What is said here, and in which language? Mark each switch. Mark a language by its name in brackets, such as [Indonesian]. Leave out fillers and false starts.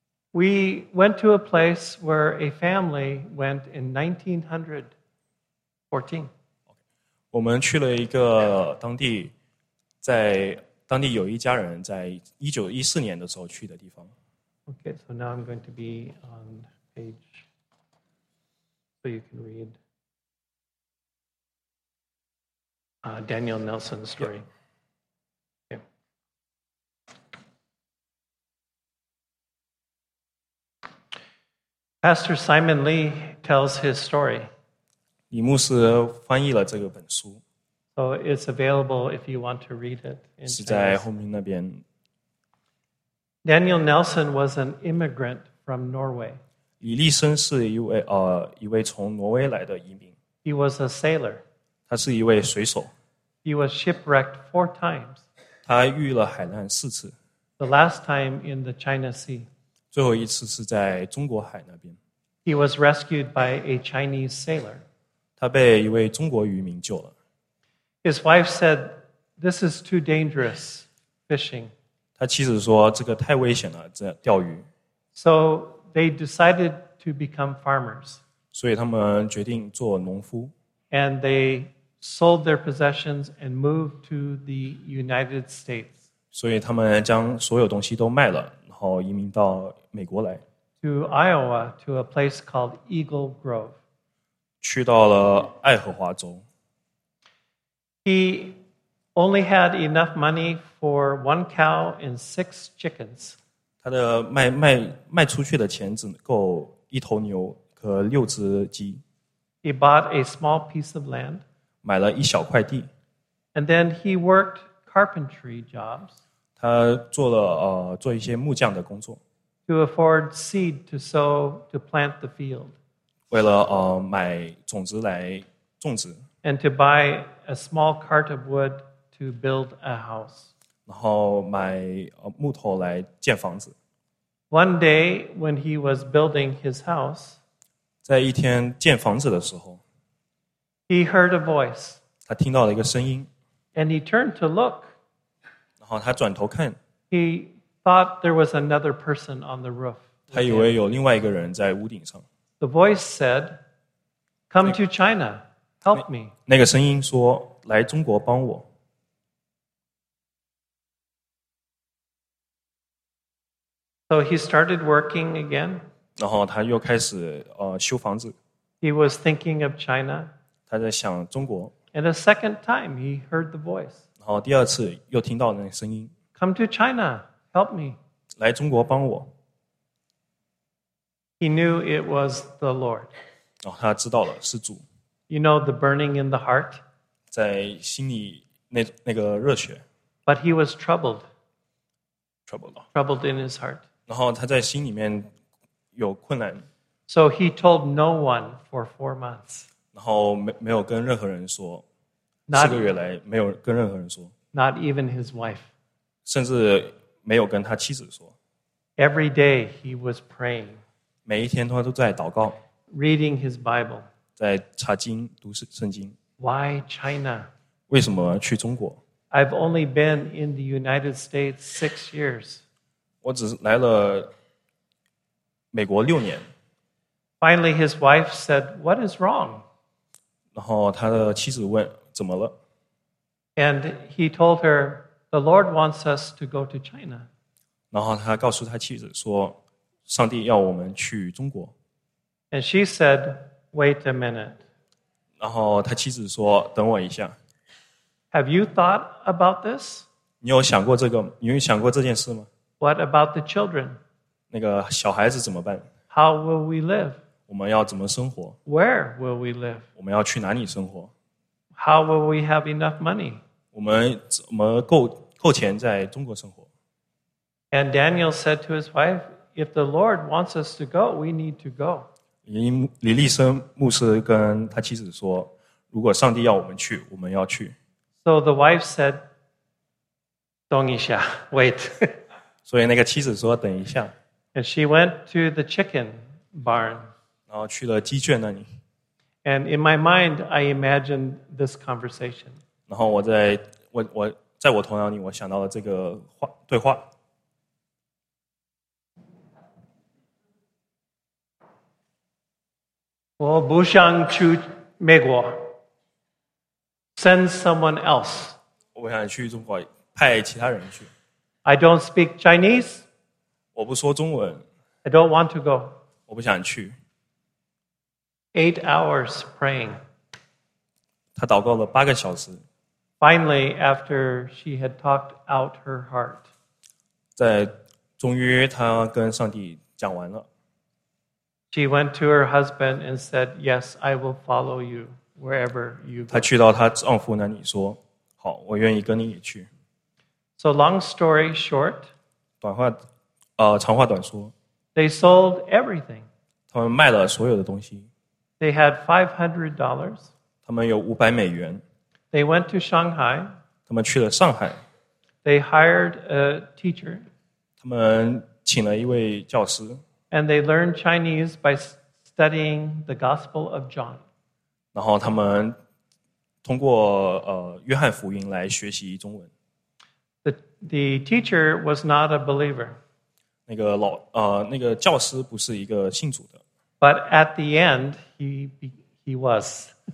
[English] We went to a place where a family went in 1914. [Chinese] 我们去了一个当地，在当地有一家人在1914年的时候去的地方。 [English] Okay, so now I'm going to be on page so you can read Daniel Nelson's story. Yeah. Pastor Simon Lee tells his story. [Chinese] 李牧师翻译了这个本书。 [English] So it's available if you want to read it. [Chinese] 是在后面那边。 [English] Daniel Nelson was an immigrant from Norway. [Chinese] 李立森是一位从挪威来的移民。 [English] He was a sailor. [Chinese] 他是一位水手。 [English] He was shipwrecked 4 times. [Chinese] 他遇了海难4次。 [English] The last time in the China Sea. [Chinese] 最后一次是在中国海那边。 [English] He was rescued by a Chinese sailor. [Chinese] 他被一位中国渔民救了。 [English] His wife said, "This is too dangerous fishing." [Chinese] 他妻子说这个太危险了，这钓鱼。 [English] So they decided to become farmers. [Chinese] 所以他们决定做农夫。 [English] And they sold their possessions and moved to the United States. [Chinese] 所以他们将所有东西都卖了。然后移民到美国来。 [English] To Iowa, to a place called Eagle Grove. [Chinese] 去到了爱荷华州。 [English] He only had enough money for one cow and 6 chickens. [Chinese] 他的卖出去的钱只够一头牛和6只鸡。 [English] He bought a small piece of land. [Chinese] 买了一小块地。 [English] And then he worked carpentry jobs. [Chinese] 他做了做一些木匠的工作。 [English] To afford seed to sow to plant the field. [Chinese] 为了买种子来种植。 [English] And to buy a small cart of wood to build a house. [Chinese] 然后买木头来建房子。 [English] One day when he was building his house. [Chinese] 在一天建房子的时候。 [English] He heard a voice. [Chinese] 他听到了一个声音。 [English] And he turned to look. [Chinese] 哦、他转头看。 [English] He thought there was another person on the roof. [Chinese] 他以为有另外一个人在屋顶上。 [English] The voice said, "Come to China, help me." [Chinese] 那个声音说，来中国帮我。 [English] So he started working again. [Chinese] 然后他又开始修房子。 [English] He was thinking of China. [Chinese] 他在想中国。 [English] And a second time, he heard the voice. [Chinese] 然后第二次又听到那个声音。 [English] Come to China, help me. [Chinese] 来中国帮我。 [English] He knew it was the Lord. [Chinese] 哦，他知道了，是主。 [English] You know the burning in the heart? [Chinese] 在心里那个热血。 [English] But he was troubled. Troubled. Troubled in his heart. [Chinese] 然后他在心里面有困难。 [English] So he told no one for 4 months. [Chinese] 然后没有跟任何人说。 [English] Not, [Chinese] 4个月来没有跟任何人说。 [English] Not even his wife. [Chinese] 甚至没有跟他妻子说。 [English] Every day he was praying. [Chinese] 每一天他都在祷告。 [English] Reading his Bible. [Chinese] 在查经读圣经。 [English] Why China? [Chinese] 为什么去中国? [English] I've only been in the United States 6 years. [Chinese] 我只来了美国6年。 [English] Finally his wife said, "What is wrong?" [Chinese] 然后他的妻子问怎么了? [English] And he told her, "The Lord wants us to go to China." [Chinese] 然后他告诉他妻子说上帝要我们去中国。 [English] And she said, wait a minute. [Chinese] 然后他妻子说等我一下。 [English] Have you thought about this? [Chinese] 你有想过这个吗？你有想过这件事吗？ [English] What about the children? [Chinese] 那个小孩子怎么办？ [English] How will we live? [Chinese] 我们要怎么生活？ [English] Where will we live? [Chinese] 我们要去哪里生活？ [English] How will we have enough money? [Chinese] 我们怎么够钱在中国生活？ [English] And Daniel said to his wife, if the Lord wants us to go, we need to go. [Chinese] 李立生牧师跟他妻子说，如果上帝要我们去，我们要去。 [English] So the wife said, [Chinese] 等一下 [English] wait. [Chinese] 所以那个妻子说等一下。 [English] And she went to the chicken barn. [Chinese] 然后去了鸡圈那里。 [English] And in my mind, I imagined this conversation. [Chinese] 然后我在我头脑里，我想到了这个话对话。我不想去美国。 [English] Send someone else. [Chinese] 我不想去中国，派其他人去。 [English] I don't speak Chinese. [Chinese] 我不说中文。 [English] I don't want to go. [Chinese] 我不想去。 [English] 8 hours praying. [Chinese] 她祷告了八个小时。 [English] Finally, after she had talked out her heart. [Chinese] 在终于她跟上帝讲完了。 [English] She went to her husband and said, yes, I will follow you wherever you go. [Chinese] 她去到她丈夫那里说，好，我愿意跟你去。 [English] So long story short, [Chinese] 长话短说。 [English] They sold everything. [Chinese] 他们卖了所有的东西。 [English] They had $500. [Chinese] 他们有500美元。 [English] They went to Shanghai. [Chinese] 他们去了上海。 [English] They hired a teacher. [Chinese] 他们请了一位教师。 [English] And they learned Chinese by studying the Gospel of John. [Chinese] 然后他们通过约翰福音来学习中文。 [English] The teacher was not a believer. [Chinese] 那个教师不是一个信主的。 [English] But at the end, he was.